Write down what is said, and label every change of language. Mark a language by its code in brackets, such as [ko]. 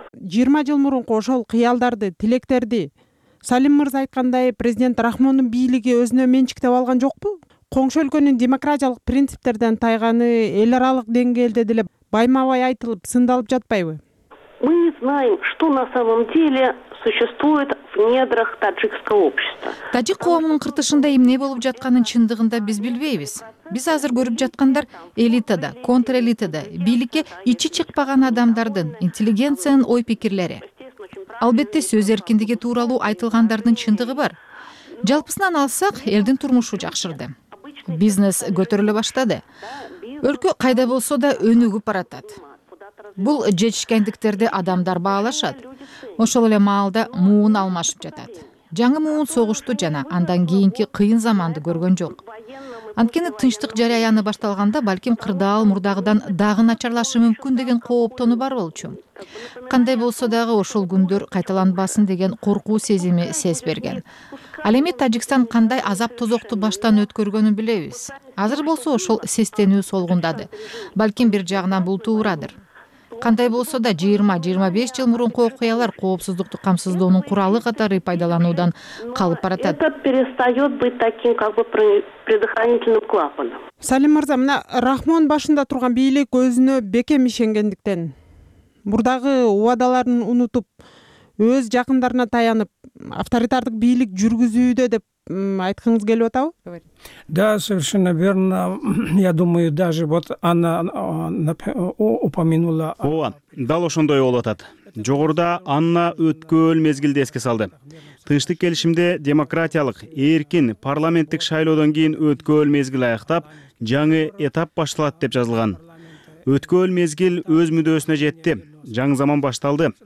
[ky] Жыйырма жыл мурунку ошол кыялдарды, тилектерди Салим мырза айткандай, президент Рахмондун бийлиги өзүнө менчиктеп алган жокпу? Коңшу өлкөнүн демократиялык принциптерден тайганы эл аралык деңгээлде деле байма-бай айтылып, сындалып жатпайбы? [ru] Мы не знаем, что на самом деле существует в недрах таджикского общества. [ky] Тажик коомунун кыртышында эмне болуп жатканын чындыгында биз билбейбиз. Биз азыр көрүп жаткандар элитада, контрэлитада, бийликке ичи чыкпаган адамдардын, интеллигенциянын ой-пикирлери. Албетте сөз эркиндиги тууралуу айтылгандардын чындыгы бар. Жалпысынан алсак, элдин турмушу жакшырды. Бизнес көтөрүлө баштады. Өлкө кайда болсо да өнүгүп баратат. Бул жетишкендиктерди адамдар баалашат. Ошол эле маалда муун алмашып жатат. Жаңы муун согушту жана андан кийинки кыйын заманды көргөн жок. Анткени тынчтык жараяны башталганда балким кырдаал мурдагыдан дагы начарлашы мүмкүн деген кооптону бар болчу. Кандай болсо дагы ошол күндөр кайталанбасын деген коркуу сезими сез берген. Ал эми Тажикстан кандай азап тозокту баштан өткөргөнүн билебиз. Азыр болсо ошол сестенүү солгундады. Балким бир жагынан бул туурадыр. Кандай болсо да 20-25 жыл мурунку окуялар коопсуздукту камсыздоонун куралы катары пайдалануудан калып баратат. [ru] Это перестает быть таким как бы предохранительным клапаном. [ky] Салим мырза, мына Рахмон башында турган бийлик өзүнө бекем ишенгендиктен, мурдагы убадаларын унутуп, өз жакындарына таянып, авторитардык бийлик жүргүзүүдө деп айтканыз келип атабы? [ru] Да, совершенно верно. Я думаю, даже вот она упомянула. [ky] Ооба, дал ошондой болуп атат. Жогоруда Анна өткөн мезгилди эске салды. Тынчтык келишимде демократиялык, эркин парламенттик шайлоодон кийин өткөн мезгил аяктап, жаңы этап башталат деп жазылган. Өткөн мезгил өз мүдөөсүнө жетти. Жаңы заман башталды.